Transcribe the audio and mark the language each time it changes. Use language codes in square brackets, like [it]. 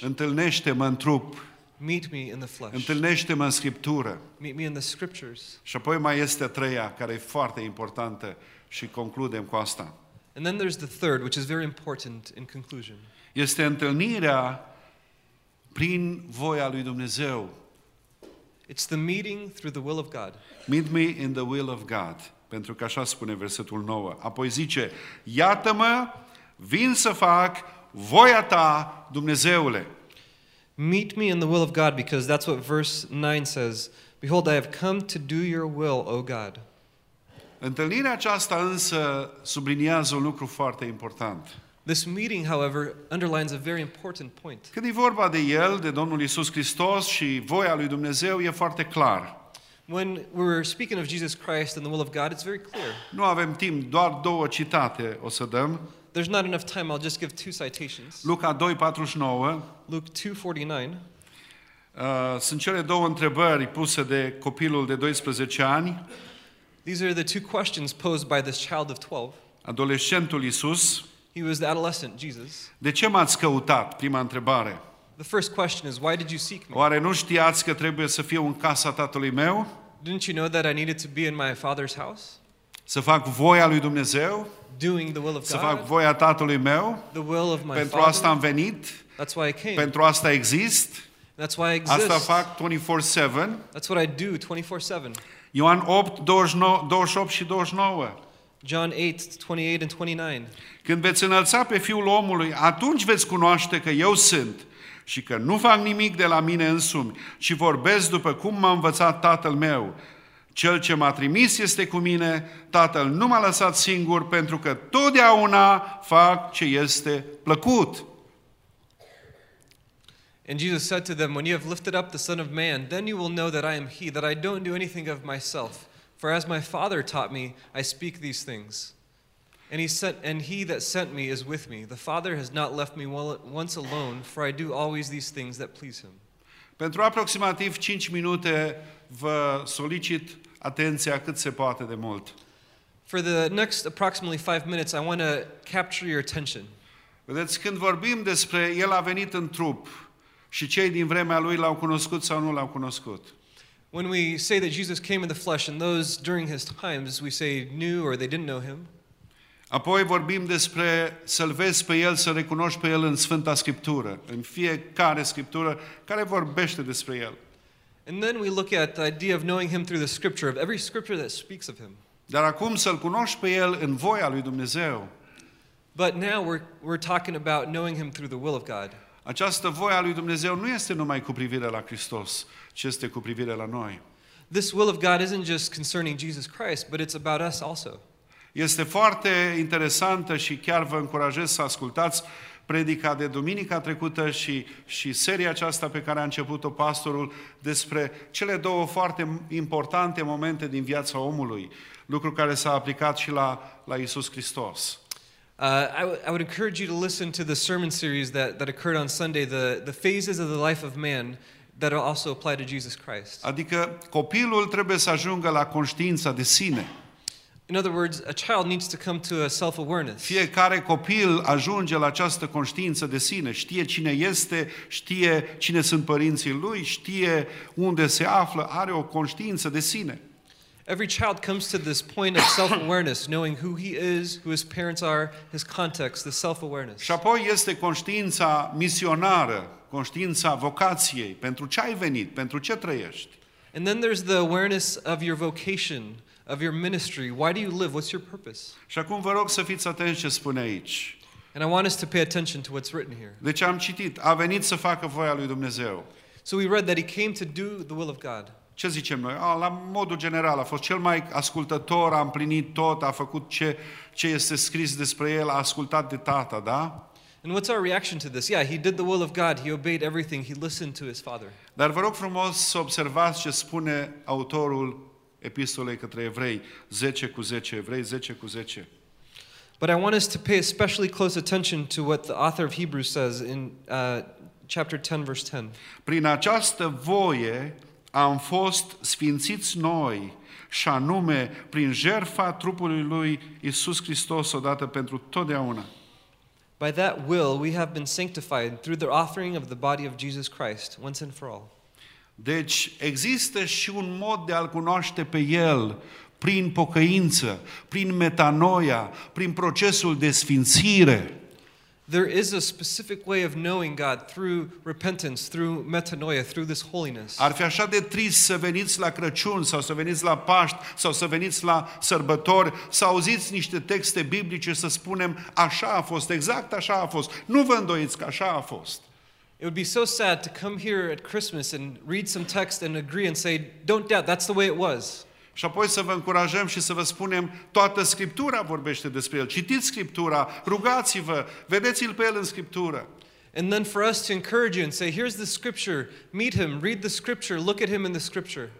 [ro] Întâlnește-mă în trup. [en] Meet me in the flesh. [ro] Întâlnește-mă în Scriptură. [en] Meet me in the scriptures. [ro] Și apoi mai este a treia, care e foarte importantă și concludem cu asta. [en] And then there's the third, which is very important in conclusion. [ro] Este întâlnirea prin voia lui Dumnezeu. [en] It's the meeting through the will of God. Meet me in the will of God. [ro] Pentru că așa spune versetul 9. Apoi zice, iată-mă, vin să fac voia ta, Dumnezeule. [en] Meet me in the will of God, because that's what verse 9 says. Behold, I have come to do your will, O God. [ro] Întâlnirea aceasta însă subliniază un lucru foarte important. [en] This meeting, however, underlines a very important point. [ro] Când e vorba de El, de Domnul Iisus Hristos și voia lui Dumnezeu, e foarte clar. [en] When we're speaking of Jesus Christ and the will of God, it's very clear. [ro] Nu avem timp, doar 2 citate o să dăm. [en] There's not enough time, I'll just give 2 citations. [ro] Luca 2:49. [en] Luke 2:49. [ro] Sunt cele 2 întrebări puse de copilul de 12 ani. [en] These are the 2 questions posed by this child of 12. [ro] Adolescentul Iisus. [en] He was the adolescent Jesus. [ro] De ce m-ați căutat? Prima întrebare. [en] The first question is, why did you seek me? [ro] Oare nu știați că trebuie să fiu în casa tatălui meu? [en] Didn't you know that I needed to be in my father's house? [ro] Să fac voia lui Dumnezeu? [en] Doing the will of God. [ro] Să fac voia tatălui meu? [en] The will of my father. [ro] Pentru asta am venit. [en] That's why I came. [ro] Pentru asta exist. [en] That's why I exist. [ro] Asta fac 24/7. [en] That's what I do 24/7. [ro] Ioan 8:28-29. [en] John 8:28-29. [ro] Când veți înălța pe Fiul omului, atunci veți cunoaște că eu sunt și că nu fac nimic de la mine însumi, ci vorbesc după cum m-a învățat Tatăl meu. Cel ce m-a trimis este cu mine, Tatăl nu m-a lăsat singur, pentru că totdeauna fac ce este plăcut. [en] And Jesus said to them, "When you have lifted up the Son of Man, then you will know that I am he, that I don't do anything of myself. For as my Father taught me, I speak these things. And he that sent me is with me. The Father has not left me once alone, for I do always these things that please him." [ro] Pentru aproximativ 5 minute vă solicit atenția cât se poate de mult. [en] For the next approximately 5 minutes, I want to capture your attention. [ro] Vedeți, când vorbim despre El a venit în trup și cei din vremea Lui L-au cunoscut sau nu L-au cunoscut. [en] When we say that Jesus came in the flesh and those during his times, we say knew or they didn't know him. [ro] Apoi vorbim despre să-L vezi pe El, să-L recunoști pe El în Sfânta Scriptură, în fiecare Scriptură care vorbește despre El. [en] And then we look at the idea of knowing him through the Scripture, of every Scripture that speaks of him. [ro] Dar acum să-L cunoști pe El în voia Lui Dumnezeu. [en] But now we're talking about knowing him through the will of God. [ro] Această voia Lui Dumnezeu nu este numai cu privire la Hristos, ci este cu privire la noi. [en] This will of God isn't just concerning Jesus Christ, but it's about us also. [ro] Este foarte interesantă și chiar vă încurajez să ascultați predica de duminica trecută și seria aceasta pe care a început-o pastorul despre cele două foarte importante momente din viața omului, lucru care s-a aplicat și la Iisus Hristos. [en] I would encourage you to listen to the sermon series that occurred on Sunday, the phases of the life of man that will also apply to Jesus Christ. [ro] Adică copilul trebuie să ajungă la conștiința de sine. [en] In other words, a child needs to come to a self-awareness. [ro] Fiecare copil ajunge la această conștiință de sine, știe cine este, știe cine sunt părinții lui, știe unde se află, are o conștiință de sine. [en] Every child comes to this point of self-awareness, knowing who he is, who his parents are, his context, the self-awareness. [ro] Și apoi este conștiința misionară, conștiința vocației, pentru ce ai venit, pentru ce trăiești. [en] And then there's the awareness of your vocation, of your ministry. Why do you live? What's your purpose? [ro] Și acum vă rog să fiți atenți ce spune aici. [en] And I want us to pay attention to what's written here. [ro] Deci am citit, a venit să facă voia lui Dumnezeu. [en] So we read that he came to do the will of God. [ro] Ce zicem noi? La modul general, a fost cel mai ascultător, a împlinit tot, a făcut ce este scris despre el, a ascultat de tata, da? [en] And what's our reaction to this? Yeah, he did the will of God, he obeyed everything, he listened to his father. [ro] Dar vă rog frumos să observați ce spune autorul epistolei către evrei, 10 cu 10, evrei 10 cu 10. [en] But I want us to pay especially close attention to what the author of Hebrews says in chapter 10, verse 10. [ro] Prin această voie am fost sfințiți noi, și anume prin jertfa trupului lui Iisus Hristos odată pentru totdeauna. [en] By that will we have been sanctified through the offering of the body of Jesus Christ once and for all. [ro] Deci există și un mod de a-L cunoaște pe El prin pocăință, prin metanoia, prin procesul de sfințire. [en] There is a specific way of knowing God through repentance, through metanoia, through this holiness. [ro] Ar fi așa de trist să veniți la Crăciun sau să veniți la Paști sau să veniți la sărbători, să auziți niște texte biblice să spunem așa a fost, exact așa a fost. Nu vă îndoiți că așa a fost. [en] It would be so sad to come here at Christmas and read some text and agree and say, "Don't doubt, that's the way it was." [ro] Și apoi să vă încurajăm și să vă spunem, toată Scriptura vorbește despre El. Citiți Scriptura, rugați-vă, vedeți-L pe El în Scriptură. [en] And then for us to encourage you and say, here's the Scripture, meet Him, read the Scripture, look at Him in the Scripture.